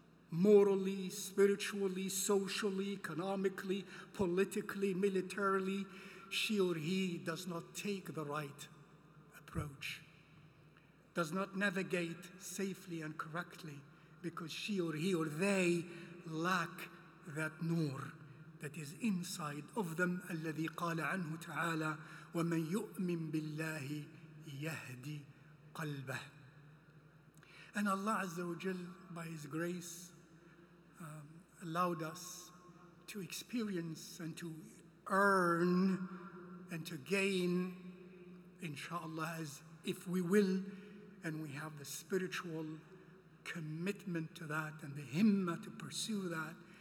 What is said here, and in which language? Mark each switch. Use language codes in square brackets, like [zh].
[en] morally, spiritually, socially, economically, politically, militarily, she or he does not take the right approach, does not navigate safely and correctly, because she or he or they lack that nur that is inside of them. [ar] الذي قال عنه تعالى ومن يؤمن بالله يهدي قلبه. [en] And Allah Azza wa Jal, by His grace, allowed us to experience and to earn and to gain, inshallah, as if we will, and we have the spiritual commitment to that and the himmah to pursue that.